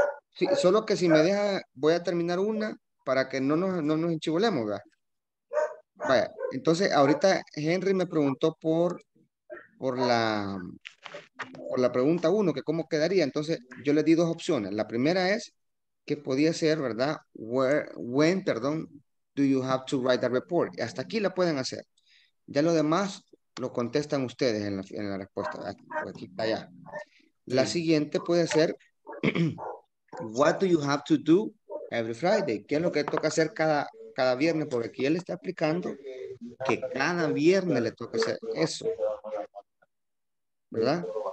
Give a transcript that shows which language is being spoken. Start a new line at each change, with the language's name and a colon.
Spanish: Sí, solo que si me deja, voy a terminar una para que no nos enchivolemos, ¿verdad? Vaya, entonces ahorita Henry me preguntó por la pregunta uno, que cómo quedaría. Entonces yo le di dos opciones. La primera es que podía ser, ¿verdad?
English: When do you have to write a report?
Spanish: Y hasta aquí la pueden hacer. Ya lo demás lo contestan ustedes en la respuesta. Aquí, allá. La siguiente puede ser,
English: what do you have to do every Friday?
Spanish: ¿Qué es lo que toca hacer cada viernes? Porque aquí él está explicando que cada viernes le toca hacer eso, ¿verdad?